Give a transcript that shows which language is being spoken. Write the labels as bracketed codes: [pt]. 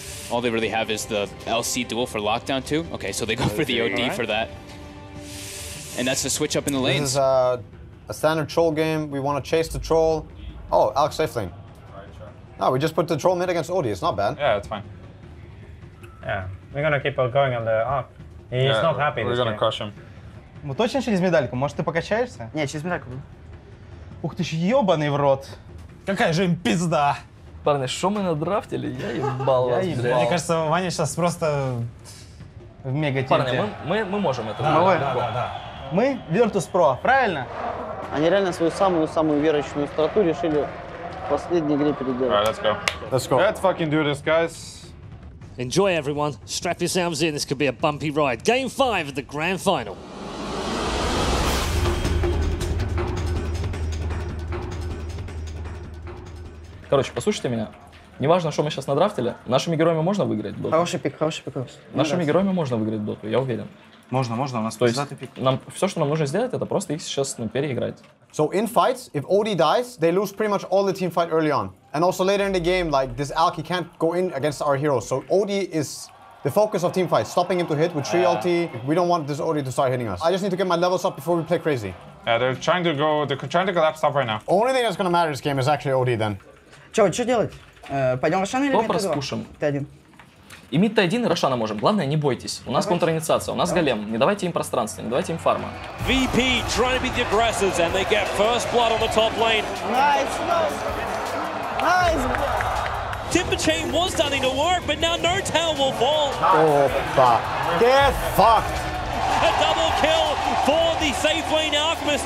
[en] All they really have is the LC dual for lockdown too. Okay, so they go for the OD for that. And that's the switch up in the lanes. This is a standard troll game. We want to chase the troll. Oh, Alex safe lane. No, we just put the troll mid against Odie. It's not bad. Yeah, it's fine. Yeah, we're gonna keep on going on the up. He's yeah, not happy. We're this gonna game. Crush him. [ru] Мы точно через медальку. Может, ты покачаешься? Не, через медальку. Ух ты ж, ёбаный в рот. Какая же им пизда. Парни, что мы надрафтили? Я ебал вас. Мне кажется, Ваня сейчас просто в мега тильте. Парни, мы можем это. Да, давай. Да. Мы Virtus Pro, правильно? Они реально свою самую-самую верочную страту решили в последней игре переделать. [en] Alright, let's go. Let's go. Let's fucking do this, guys. Enjoy, everyone. Strap yourselves in. This could be a bumpy ride. Game 5 of the Grand Final. [ru] Короче, послушайте меня. Неважно, что мы сейчас надрафтили, нашими героями можно выиграть доту. Хороший пик. Нашими героями можно выиграть доту, я уверен. Можно, у нас пиздатый пик. Нам все, что нам нужно сделать, это просто их сейчас переиграть. [en] So in fights, if Odie dies, they lose pretty much all the team fight early on. And also later in the game, like this Alki can't go in against our heroes. So Odie is the focus of team fight, stopping him to hit with 3 ulti. We don't want this Odie to start hitting us. I just need to get my levels up before we play crazy. Yeah, they're trying to collapse up right now. Only thing that's gonna matter this game is actually Odie then. [ru] Чего, что делать? Пойдем Рошана или мид-Т2? Топ распушим. Т1. И мид-Т1, и Рошана можем. Главное, не бойтесь. У нас контринициация, у нас голем. Не давайте им пространство, не давайте им фарма. [en] VP trying to be the aggressors, and they get first blood on the top lane. Nice. Timber chain was starting to work, but now no town will fall. Опа. Get fucked. A double kill for the safe lane Alchemist.